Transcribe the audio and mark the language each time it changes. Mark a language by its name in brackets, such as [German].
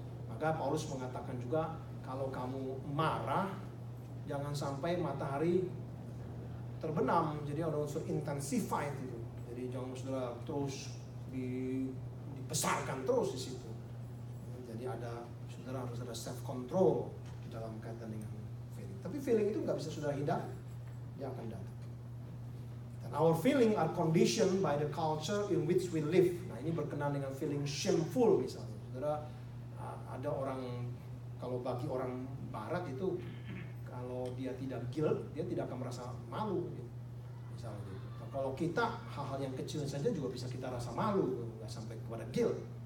[Indonesian] Maka Paulus mengatakan juga kalau kamu marah, jangan sampai matahari terbenam, jadi ada unsur intensified itu. Jadi jangan saudara terus dibesarkan terus di situ. Jadi ada saudara harus ada self control di dalam kaitan dengan feeling. Tapi feeling itu nggak bisa saudara hindar, dia akan datang. [English] Dan our feeling are conditioned by the culture in which we live. [Indonesian] Nah ini berkenan dengan feeling shameful misalnya. Saudara ada orang, kalau bagi orang Barat itu, kalau dia tidak guilt, dia tidak akan merasa malu. Misalnya, gitu. Kalau kita hal-hal yang kecil saja juga bisa kita rasa malu, nggak sampai kepada guilt.